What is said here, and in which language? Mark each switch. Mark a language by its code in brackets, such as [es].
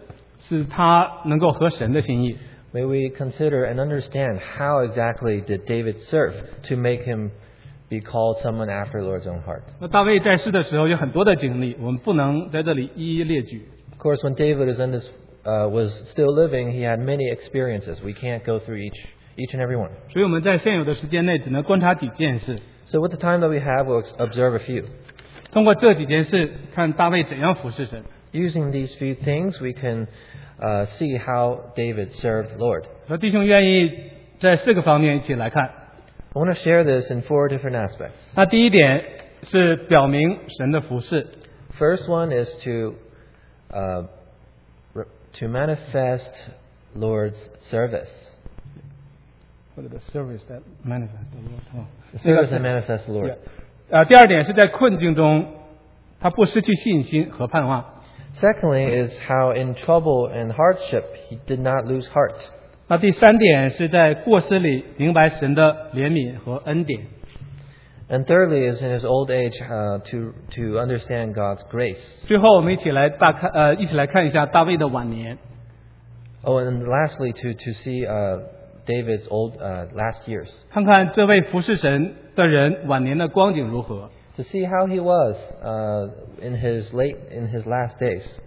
[zh] 大卫是怎样服侍的,使他能够合神的心意。 [en] May we consider and understand how exactly did David serve to make him be called someone after the Lord's own heart. [zh] 大卫在世的时候有很多的经历,我们不能在这里一一列举。 [en] Of course, when David is in this, was still living, he had many experiences. We can't go through each and every one. [zh] 所以我们在现有的时间内只能观察几件事。 [en] So with the time that we have, we'll observe a few. [zh] 通过这几件事,看大卫怎样服侍神。 [en] Using these few things, we can see how David served the Lord. [zh] 弟兄愿意在四个方面一起来看。 [en] I want to share this in four different aspects. [zh] 那第一点是表明神的服侍。 [en] First one is to manifest Lord's service. What is the service that manifests the Lord? Oh. The service that manifests the Lord. Yeah. [zh] 第二点是在困境中他不失去信心和盼望。 [en] Secondly, is how in trouble and hardship he did not lose heart. [zh] 那第三点是在过失里明白神的怜悯和恩典。 [en] And thirdly, is in his old age to understand God's grace. [zh] 最后，我们一起来看一下大卫的晚年。 [en] Oh, and lastly, to see David's old last years. [zh] 看看这位服侍神的人晚年的光景如何。 [en] To see how he was in his last days.